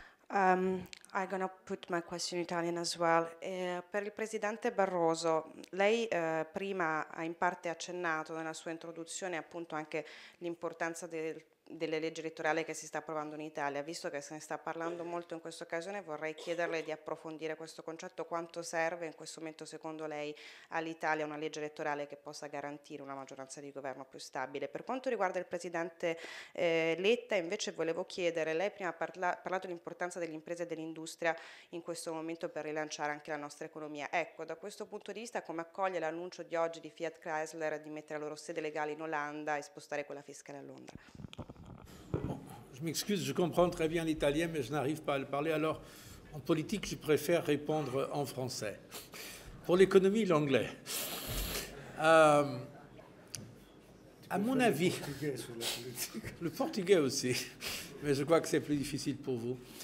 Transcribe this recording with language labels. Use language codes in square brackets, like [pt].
[en] I'm going to put my question in Italian as well. [it] Per il Presidente Barroso, lei prima ha in parte accennato nella sua introduzione appunto anche l'importanza delle leggi elettorali che si sta approvando in Italia. Visto che se ne sta parlando molto in questa occasione, vorrei chiederle di approfondire questo concetto. Quanto serve in questo momento, secondo lei, all'Italia una legge elettorale che possa garantire una maggioranza di governo più stabile? Per quanto riguarda il presidente Letta, invece, volevo chiedere, lei prima ha parlato dell'importanza delle imprese e dell'industria in questo momento per rilanciare anche la nostra economia. Ecco, da questo punto di vista, come accoglie l'annuncio di oggi di Fiat Chrysler di mettere la loro sede legale in Olanda e spostare quella fiscale a Londra? [fr] Je m'excuse, je comprends très bien l'italien, mais je n'arrive pas à le parler. Alors, en politique, je préfère répondre en français. Pour l'économie, l'anglais. À mon avis, le portugais aussi, mais je crois que c'est plus difficile pour vous.